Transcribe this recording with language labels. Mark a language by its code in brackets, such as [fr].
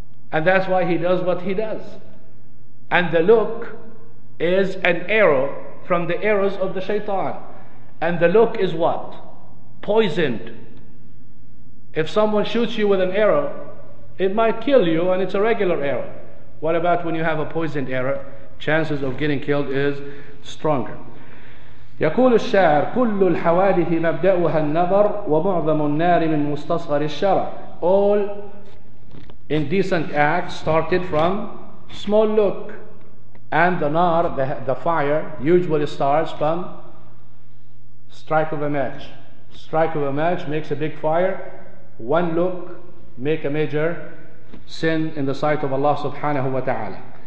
[en] And that's why he does what he does. And the look is an arrow from the arrows of the shaitan. And the look is what? Poisoned. If someone shoots you with an arrow, it might kill you, and it's a regular arrow. What about when you have a poisoned arrow? Chances of getting killed is stronger. [ar] يقول الشاعر كل الحوادث مبدأها النظر ومعظم النار من مستصغر الشرع. [en] All indecent acts started from small look, and the nar, the fire, usually starts from strike of a match. Strike of a match makes a big fire. One look make a major sin in the sight of Allah subhanahu wa ta'ala.